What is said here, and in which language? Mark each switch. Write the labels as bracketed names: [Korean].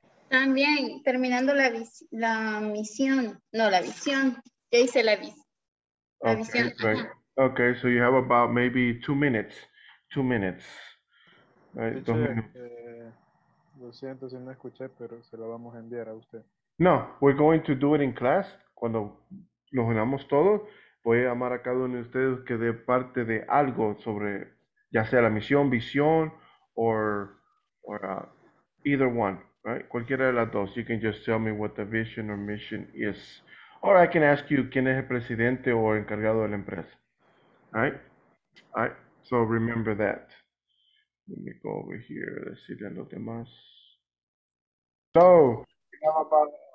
[Spanish] También terminando la misión. No, la visión. Ya hice la visión. [English] Okay, right. Okay, so you have about maybe 2 minutes. 2 minutes. [Spanish] Right, teacher, lo siento si no escuché, pero se lo vamos a enviar a usted. [English] No, we're going to do it in class. [Spanish] Cuando nos unamos todos, voy a llamar a cada uno de ustedes que dé parte de algo sobre, ya sea la misión, visión, [English] or either one, right? [Spanish] Cualquiera de las dos. [English] You can just tell me what the vision or mission is. Or I can ask you, [Spanish] ¿quién es el presidente o encargado de la empresa? [English] All right? So remember that. Let me go over here. Let's see the [Spanish] los demás. [English] So, we have about...